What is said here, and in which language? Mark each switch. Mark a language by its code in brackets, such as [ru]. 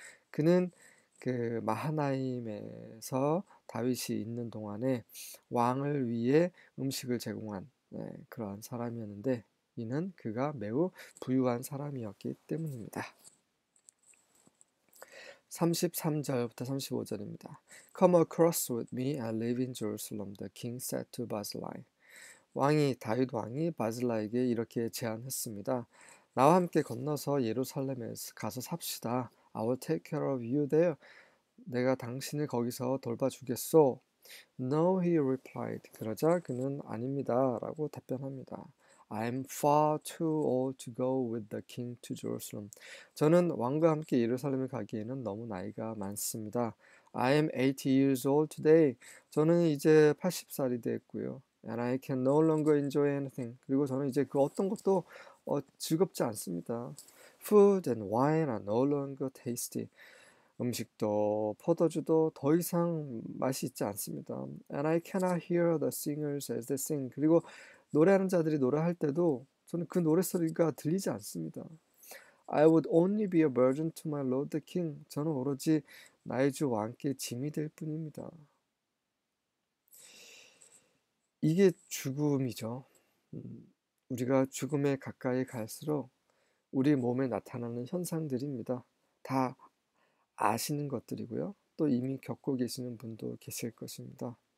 [ko] 그는 마하나임에서 다윗이 있는 동안에 왕을 위해 음식을 제공한 그러한 사람이었는데, 이는 그가 매우 부유한 사람이었기 때문입니다. 33절부터 35절입니다. [en] Come across with me and live in Jerusalem, the king said to Barzillai. [ko] 다윗 왕이 바질라에게 이렇게 제안했습니다. 나와 함께 건너서 예루살렘에 가서 삽시다. [en] I will take care of you there. [ko] 내가 당신을 거기서 돌봐주겠소. [en] No, he replied. [ko] 그러자 그는 아닙니다. 라고 답변합니다. [en] I am far too old to go with the king to Jerusalem. [ko] 저는 왕과 함께 예루살렘에 가기에는 너무 나이가 많습니다. [en] I am 80 years old today. [ko] 저는 이제 80살이 됐고요. [en] And I can no longer enjoy anything. [ko] 그리고 저는 이제 그 어떤 것도 즐겁지 않습니다. [en] Food and wine are no longer tasty. [ko] 음식도 포도주도 더 이상 맛이 있지 않습니다. [en] And I cannot hear the singers as they sing. [ko] 그리고 노래하는 자들이 노래할 때도 저는 그 노랫소리가 들리지 않습니다. [en] I would only be a burden to my lord the king. [ko] 저는 오로지 나의 주 왕께 짐이 될 뿐입니다. 이게 죽음이죠. 우리가 죽음에 가까이 갈수록 우리 몸에 나타나는 현상들입니다. 다 아시는 것들이고요. 또 이미 겪고 계시는 분도 계실 것입니다.